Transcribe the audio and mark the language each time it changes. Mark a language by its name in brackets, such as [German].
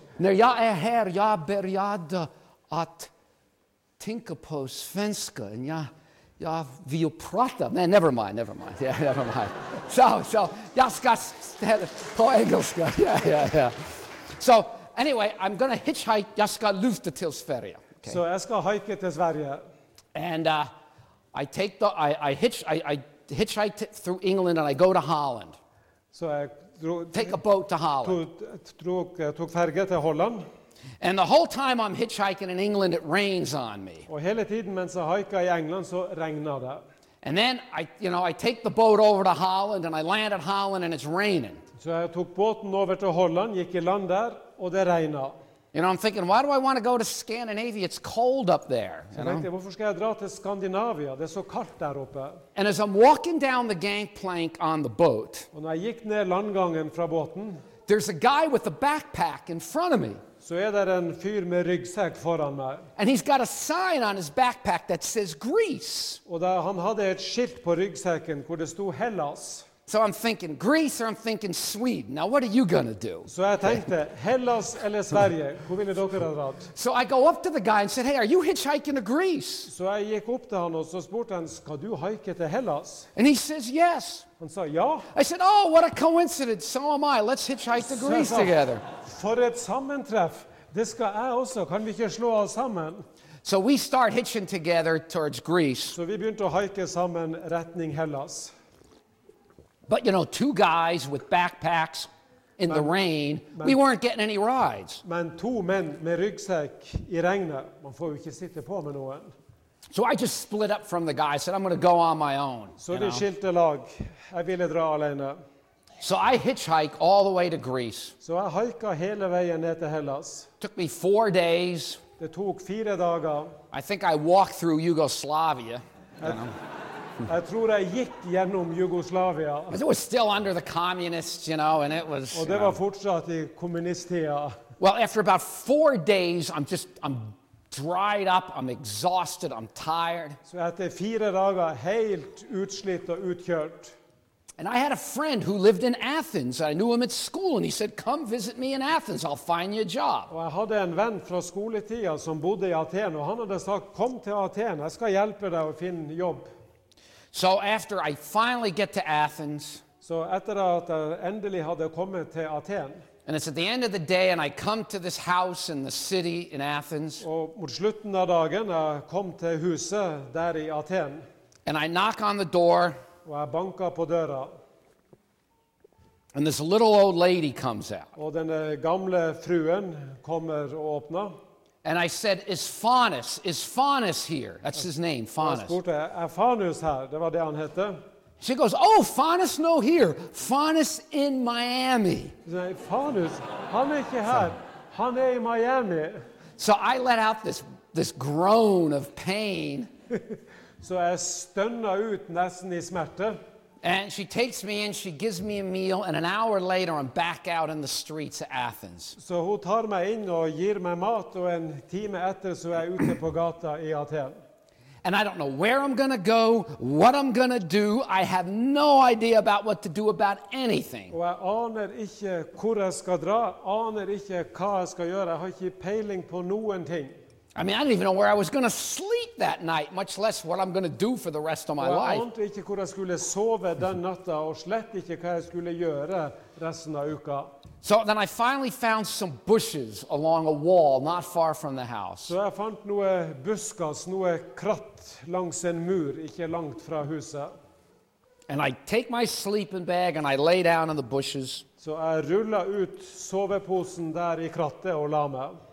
[Swedish] När jag är här, jag började att tänka på svenska, och jag... Ja, vi pratar. Nej, [English] never mind. Yeah, never mind. [Swedish] So, jag ska ställa på engelska. Yeah. [English] So, anyway, I'm going to hitchhike. [Swedish] Jag ska lyfta till Sverige. Så jag ska hike till Sverige. [English] And I hitchhike through England and I go to Holland. So I take a boat to Holland. [Swedish] Tog färja till Holland. [English] And the whole time I'm hitchhiking in England, it rains on me. [Swedish] Och hela tiden men så hajkar I England så regnar det. [English] And then I take the boat over to Holland and I land at Holland and it's raining. [Swedish] Så jag tog båten över till Holland, gick I land där och det regnar. [English] You know, I'm thinking, why do I want to go to Scandinavia? It's cold up there. [Swedish] Varför ska jag dra till Skandinavia? Det är så kallt där uppe. [English] And as I'm walking down the gangplank on the boat. [Swedish] Och när jag gick ner landgången från båten. [English] There's a guy with a backpack in front of me. [Swedish] Så är det en fyr med ryggsäck föran mig. [English] And he's got a sign on his backpack that says Greece. [Swedish] Och där han hade ett skilt på ryggsäcken där det stod Hellas. [English] So I'm thinking Greece or I'm thinking Sweden. Now what are you going to do? [Swedish] Så jag tänkte Hellas eller Sverige. Hur vill du göra det? [English] So I go up to the guy and said, "Hey, are you hitchhiking to Greece?" [Swedish] Så jag gick upp till honom och så spurt han, "Ska du hajka till Hellas?" [English] And he says, "Yes." [Swedish] Han sa, "Ja." [English] I said, "Oh, what a coincidence. So am I. Let's hitchhike to Greece together." [Swedish] För ett sammanträff. Det ska jag också. Kan vi inte slå oss samman? [English] So we start hitching together towards Greece. [Swedish] Så vi började hajka samman rättning Hellas. [English] But you know, two guys with backpacks in the rain, we weren't getting any rides. [Swedish] Men två män med ryggsäck I regnet, man får ju inte sitta på med någon. [English] So I just split up from the guy. I said, "I'm going to go on my own." [Swedish] Så det skilte lag. Jag ville dra alene. [English] So I hitchhike all the way to Greece. [Swedish] Så jag hajkar hela vägen ner till Hellas. [English] Took me 4 days. [Swedish] Det tog 4 dagar. [English] I think I walked through Yugoslavia. [Swedish] Jag tror jag gick genom Jugoslavia. [English] But it was still under the communists, you know, and it was. [Swedish] Och det var fortsatt I kommunisttiden. [English] Well, after about 4 days, I'm dried up, I'm exhausted, I'm tired. [Swedish] Så efter 4 dagar helt utslitt och utkört. [English] And I had a friend who lived in Athens. I knew him at school, and he said, "Come visit me in Athens. I'll find you a job." [Swedish] Och jag hade en vän från skoletiden som bodde I Aten, och han hade sagt, "Kom till Aten. Jag ska hjälpa dig att finna jobb." [English] So after I finally get to Athens, [Swedish] så efter att jag äntligen hade kommit till Aten. [English] And it's at the end of the day and I come to this house in the city in Athens. [Swedish] Och mot slutet av dagen jag kom till huset där i Aten. [English] And I knock on the door. [Swedish] Och jag bankar på dörren. [English] And this little old lady comes out. [Swedish] Och den gamla fruen kommer och öppnar. [English] And I said, is Faunus here? That's his name, Faunus. [Swedish] Jag spurte, är Faunus här? Det var det han hette. [English] She goes, oh, Faunus, no, here. Faunus in Miami. [Swedish] Faunus, han är inte här. Han är i Miami. [English] So I let out this groan of pain. [Swedish] Så jag stönar ut nästan i smärta. [English] And she takes me in, she gives me a meal, and an hour later I'm back out in the streets of Athens. [Swedish] Så hon tar mig in och ger mig mat och en timme efter så är jag ute på gatan i Aten. [English] And I don't know where I'm going to go, what I'm going to do. I have no idea about what to do about anything. [Swedish] Och jag aner inte hur jag ska dra, aner inte vad jag ska göra. Jag har inte peiling på någonting. [English] I mean, I didn't even know where I was going to sleep that night, much less what I'm going to do for the rest of my life. [Swedish] Jag visste inte hur jag skulle sova den natten och slett inte vad jag skulle göra resten av uka. [English] So then I finally found some bushes along a wall not far from the house. [Swedish] Så jag fann några buskar, några kratt längs en mur, inte långt från huset. [English] And I take my sleeping bag and I lay down in the bushes. [Swedish] Så jag rullar ut sovepåsen där i krattet och la mig.